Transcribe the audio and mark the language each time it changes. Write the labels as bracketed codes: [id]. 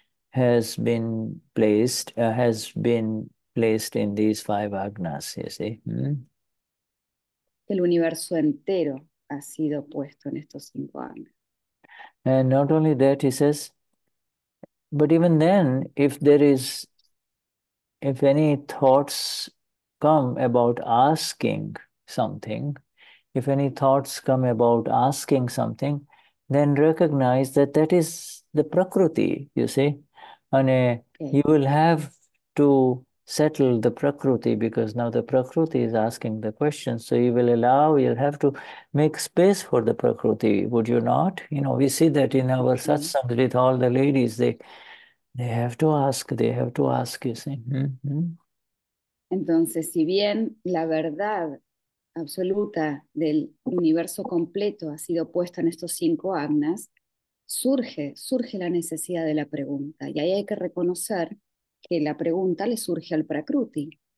[en] has been placed in these five agnas, you see. Mm-hmm. [es] El universo entero ha sido puesto en estos cinco agnas. [en] And not only that, he says, but even then, if there is, if any thoughts come about asking something, if any thoughts come about asking something, then recognize that that is the prakriti, you see. And you will have to settle the prakriti, because now the prakriti is asking the question. So you will allow, you'll have to make space for the prakriti, would you not? You know, we see that in our satsang with all the ladies, they have to ask, they have to ask, you see. Mm-hmm. [es] Entonces, si bien la verdad absoluta del universo completo ha sido puesta en estos cinco agnas, surge la necesidad de la pregunta. Y ahí hay que reconocer que la pregunta le surge al prakruti.